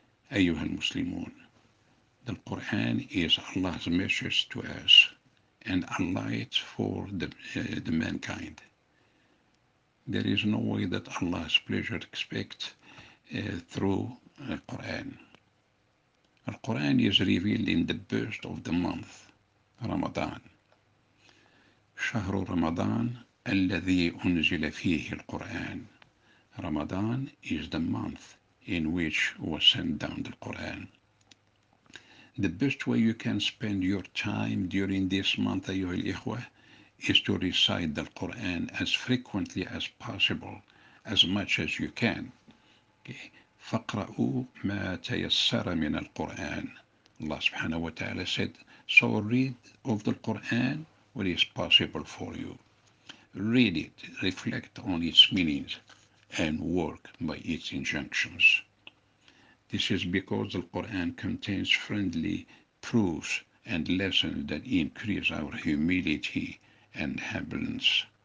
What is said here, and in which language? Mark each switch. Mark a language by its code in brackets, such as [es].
[en] Ayyuhal Muslimun, the Quran is Allah's message to us and a light for the mankind. There is no way that Allah's pleasure expects through the Quran. Al Quran is revealed in the burst of the month, Ramadan. [ar] شهر رمضان الذي أنزل فيه القرآن. [en] Ramadan is the month in which was sent down the Quran. The best way you can spend your time during this month, [ar] أيها الإخوة, [en] is to recite the Quran as frequently as possible, as much as you can. Okay. [ar] فقرأوا ما تيسر من القرآن. [en] Allah subhanahu wa ta'ala said, so read of the Quran what is possible for you. Read it, reflect on its meanings, and work by its injunctions. This is because the Quran contains friendly proofs and lessons that increase our humility and humbleness.